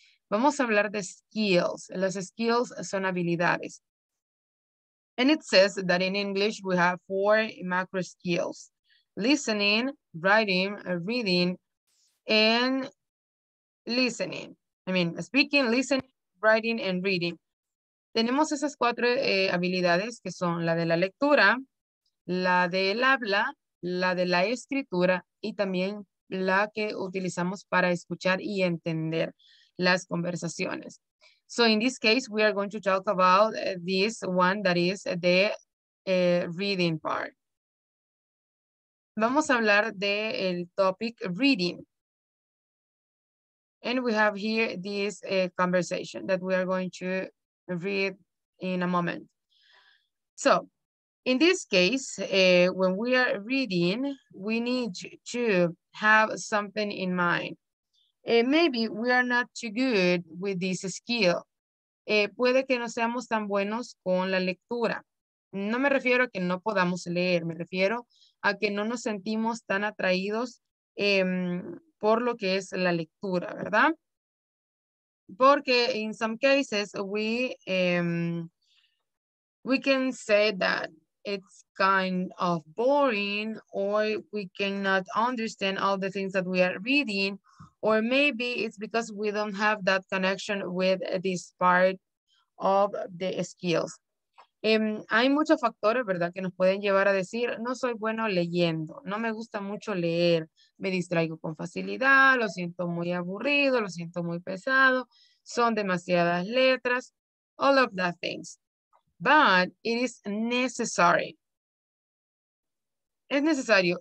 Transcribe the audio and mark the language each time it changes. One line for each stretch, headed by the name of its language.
Spanish: Vamos a hablar de skills. Las skills son habilidades.
English: And it says that in English, we have four macro skills: listening, writing, reading, and listening. I mean, speaking, listening, writing, and reading.
Spanish: Tenemos esas cuatro habilidades que son la de la lectura, la del habla, la de la escritura, y también la que utilizamos para escuchar y entender las conversaciones.
English: So in this case, we are going to talk about this one that is the reading part.
Spanish: Vamos a hablar del
English: topic reading. And we have here this conversation that we are going to read in a moment. So in this case, when we are reading, we need to have something in mind. Maybe we are not too good with this skill.
Spanish: Puede que no seamos tan buenos con la lectura. No me refiero a que no podamos leer, me refiero a que no nos sentimos tan atraídos por lo que es la lectura, ¿verdad?
English: Porque in some cases we can say that it's kind of boring, or we cannot understand all the things that we are reading, or maybe it's because we don't have that connection with this part of the skills.
Spanish: Hay muchos factores, ¿verdad?, que nos pueden llevar a decir, no soy bueno leyendo, no me gusta mucho leer, me distraigo con facilidad, lo siento muy aburrido, lo siento muy pesado, son demasiadas letras,
English: all of that things. But it is necessary.
Spanish: Es necesario.